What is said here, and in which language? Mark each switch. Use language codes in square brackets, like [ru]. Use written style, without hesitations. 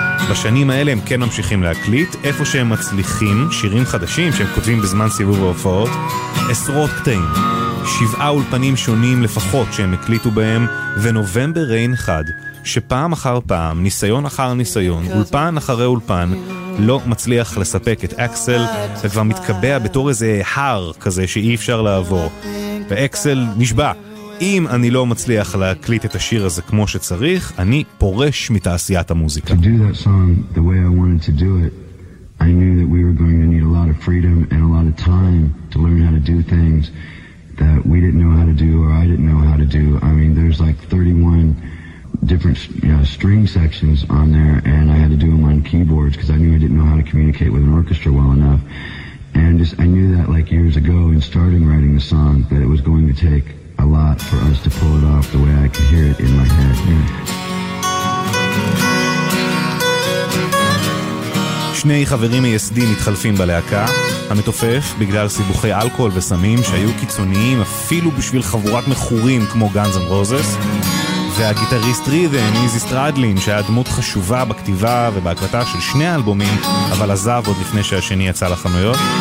[he] בשנים האלה הם כן ממשיכים להקליט, איפה שהם מצליחים, שירים חדשים שהם כותבים בזמן סיבוב ההופעות, עשרות קטעים, שבעה אולפנים שונים לפחות שהם הקליטו בהם, ונובמבר ריין אחד, שפעם אחר פעם, ניסיון אחר ניסיון, אולפן אחרי אולפן, לא מצליח לספק את אקסל, וכבר מתקבע בתור איזה הר כזה שאי אפשר לעבור. ואקסל נשבע, אם אני לא מצליח להקליט את השיר הזה כמו שצריך, אני פורש מתעשיית המוזיקה. [en] To do that song the way I wanted to do it, I knew that we were going to need a lot of freedom and a lot of time to learn how to do things that we didn't know how to do or I didn't know how to do. I mean, there's like 31 different string sections on there and I had to do them on keyboards because I knew I didn't know how to communicate with an orchestra well enough. And just I knew that like years ago in starting writing the song that it was going to take a lot for us to pull it off the way I can hear it in my head. [he] שני חברים מייסדים מתחלפים בלהקה, המתופף בגלל סיבוכי אלכוהול וסמים שהיו קיצוניים אפילו בשביל חבורת מחורים כמו Guns N' Roses, והגיטריסט רידן איזי סטרדלין שהיה דמות חשובה בכתיבה ובהקלטה של שני האלבומים אבל עזב עוד לפני שהשני יצא לחנויות.